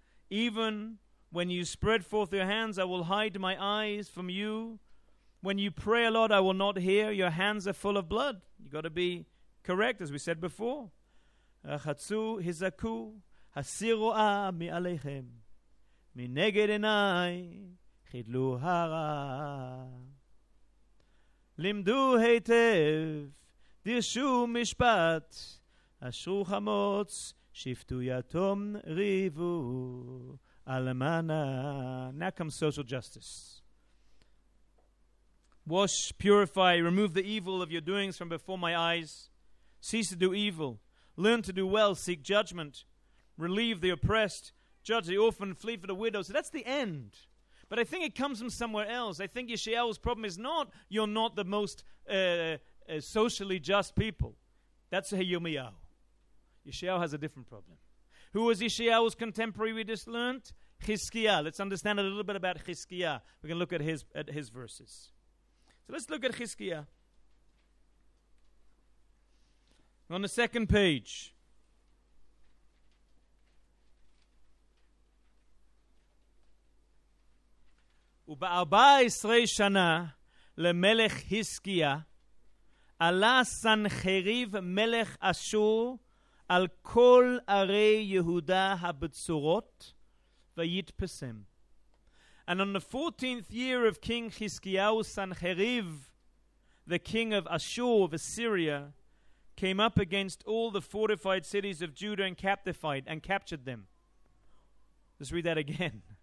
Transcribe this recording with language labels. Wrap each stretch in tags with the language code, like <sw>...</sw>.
<en>Even when you spread forth your hands, I will hide my eyes from you. When you pray a lot, I will not hear. Your hands are full of blood. You've got to be correct, as we said before.</en> <he>רחצו, הזקו, הסירו מעליכם, מנגד עיניי חידלו הרע. לימדו היטב, דרשו משפט, אשרו חמוץ, שפטו יתום, ריבו אלמנה.</he> <en>Now comes social justice. Wash, purify, remove the evil of your doings from before my eyes. Cease to do evil. Learn to do well, seek judgment. Relieve the oppressed, judge the orphan, flee for the widow. So that's the end. But I think it comes from somewhere else. I think Yeshayahu's problem is not you're not the most socially just people. That's Yirmiyahu. Yeshayahu has a different problem. Who was Yeshayahu's contemporary we just learned? Chizkiyah. Let's understand a little bit about Chizkiyah. We're going to look at his verses. So let's look at Chizkiyah. On the second page.</en> <he>וב-14 שנה למלך חזקיה עלה סנחריב מלך אשור על כל ערי יהודה הבצורות ויתפסם.</he> <en>And on the 14th year of King Chizkiyahu, Sanherib, the king of Ashur of Assyria, came up against all the fortified cities of Judah and captured them. Let's read that again.</en>